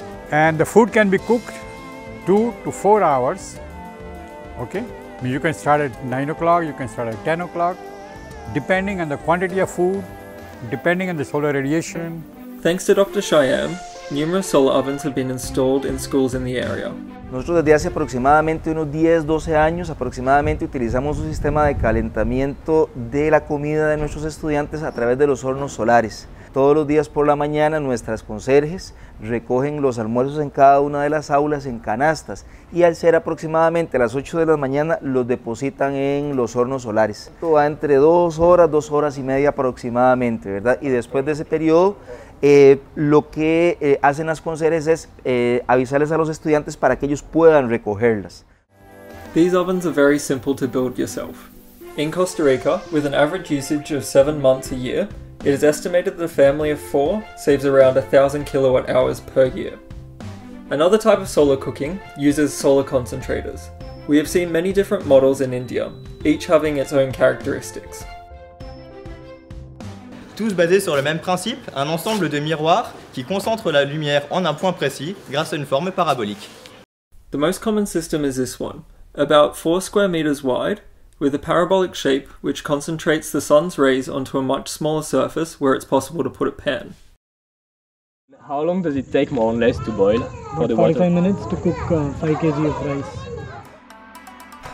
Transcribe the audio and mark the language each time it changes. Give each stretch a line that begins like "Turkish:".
English: And the food can be cooked 2 to 4 hours, okay? You can start at 9 o'clock, you can start at 10 o'clock, depending on the quantity of food, depending on the solar radiation. Thanks to Dr. Cheyenne, numerous solar ovens have been installed in schools in the area.
Spanish: Nosotros desde hace aproximadamente unos 10, 12 años aproximadamente utilizamos un sistema de calentamiento de la comida de nuestros estudiantes a través de los hornos solares. Todos los días por la mañana nuestras conserjes recogen los almuerzos en cada una de las aulas en canastas y al ser aproximadamente a las 8 de la mañana los depositan en los hornos solares. Esto va entre 2 horas, 2 horas y media aproximadamente, ¿verdad? Y después de ese periodo, lo que hacen las conserjes es avisarles a los estudiantes para que ellos puedan recogerlas.
English: These ovens are very simple to build yourself. In Costa Rica, with an average usage of 7 months a year, it is estimated that a family of 4 saves around 1,000 kilowatt hours per year. Another type of solar cooking uses solar concentrators. We have seen many different models in India, each having its own characteristics.
French: Tous basés sur le même principe, un ensemble de miroirs qui concentre la lumière en un point précis grâce à une forme parabolique.
English: The most common system is this one, about 4 square meters wide, with a parabolic shape which concentrates the sun's rays onto a much smaller surface where it's possible to put a pan. How long does it take more or less to boil? For the 45 water? Minutes to cook 5 kg of rice.